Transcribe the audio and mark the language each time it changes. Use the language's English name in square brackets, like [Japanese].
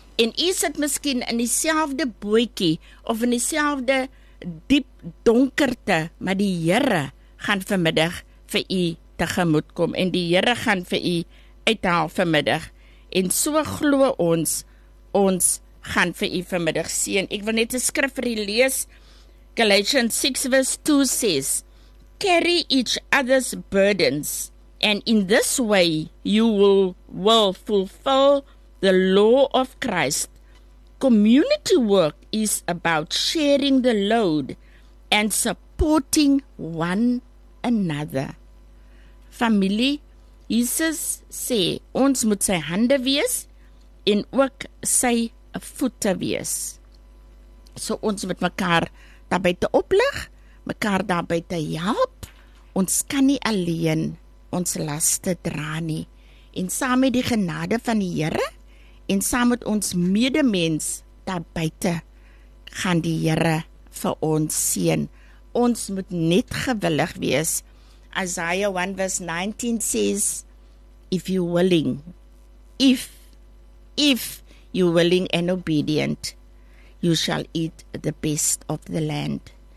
[Afrikaans] En u sit miskien in dieselfde bootjie of in dieselfde diep donkerte, maar die Here gaan vanmiddag vir u tegemoet kom, en die Here gaan vir u uithaal vanmiddag, en so glo ons gaan vir u vanmiddag seën. Ek wil net 'n skrif vir u lees. [English] Galatians 6 verse 2 says, carry each other's burdens, and in this way you will fulfill the law of Christ. Community work is about sharing the load and supporting one another. [Afrikaans] Familie, Jesus sê, ons moet sy hande wees en ook sy voete wees. So ons moet mekaar daarby te oplig, mekaar daarby te help. Ons kan nie alleen ons laste dra nie. En saam met die genade van die Here en saam met ons medemens daar buite gaan die Here vir ons seën. Ons moet net gewillig wees. [English] Isaiah 1 verse 19 says, if you willing and obedient, you shall eat the best of the land.